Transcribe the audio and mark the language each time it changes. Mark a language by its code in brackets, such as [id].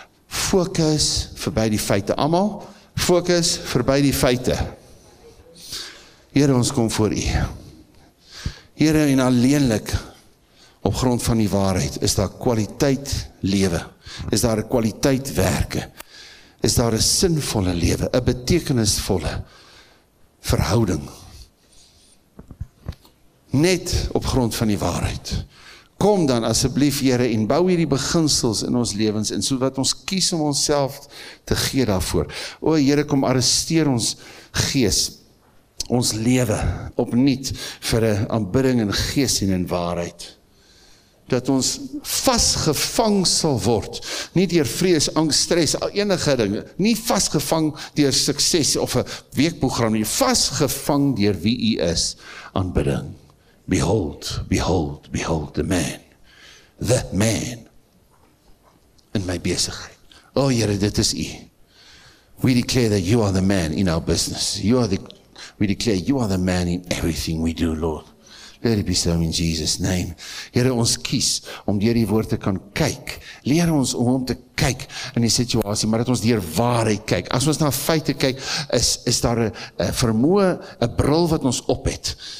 [af] Focus voorbij die feite, allemaal, focus voorbij die feite. Here, ons kom voor u. Here, en alleenlik, op grond van die waarheid, is daar kwaliteit lewe, is daar kwaliteit werke, is daar 'n sinvolle lewe, 'n betekenisvolle verhouding. Net op grond van die waarheid. Kom dan asseblief, Here, en bou hierdie beginsels in ons lewens in, so wat ons kies om onsself te gee daarvoor. O Here, kom arresteer ons gees, ons lewe, opnuut vir 'n aanbidding in gees en in waarheid. Dat ons vastgevang sal word, nie deur vrees, angst, stress, enige ding, nie vastgevang deur sukses of 'n weekprogram, nie vastgevang deur wie u is, aanbidding. [en] Behold, behold, behold the man, [af] the man, in my besigheid. O Heere, dit is u. [en] We declare that you are the man in our business. We declare you are the man in everything we do, Lord. Let it be so in Jesus' name. [af] Heere, ons kies om deur die woord te kan kyk. Leer ons om om te kyk in die situasie, maar dat ons deur waarheid kyk. As ons na feite kyk, is daar 'n vermoë, 'n bril wat ons op het.